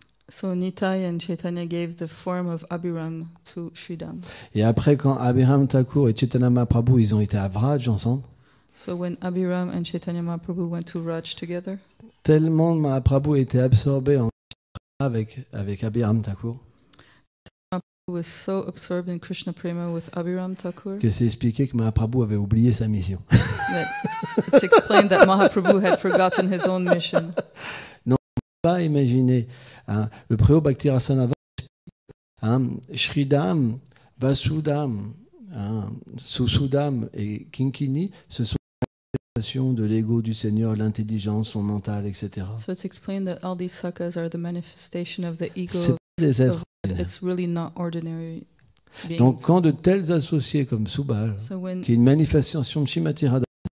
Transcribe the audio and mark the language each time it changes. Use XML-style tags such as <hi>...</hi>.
<en>So Nitai and Chaitanya gave the form of Abiram to Shridam.</en> <fr>Et après, quand Abiram Thakur et Chaitanya Mahaprabhu, ils ont été à Vraj ensemble.</fr> <en>So when Abiram and Chaitanya Mahaprabhu went to Vraj together.</en> <fr>Tellement Mahaprabhu était absorbé en Krishna avec Abiram Thakur.</fr> <en>Mahaprabhu was so absorbed in Krishna Prema with Abiram Thakur.</en> <fr>Que c'est expliqué que Mahaprabhu avait oublié sa mission.</fr> <en>It's explained that Mahaprabhu had forgotten his own mission.</en> <fr>Non, pas imaginer. Le Priyo Bhakti Rasanava Shridham, Vasudham, Susudham et Kinkini, ce sont les manifestations de l'ego du Seigneur, l'intelligence, son mental, etc.</fr> <en>So it's explained that all these sukkas are the manifestation of the ego.</en> <fr>C'est pas des êtres ordinaires.</fr> <en>It's really not ordinary.</en> <fr>Donc quand de tels associés comme Subhal, qui est une manifestation de Shrimati Radharani,</fr>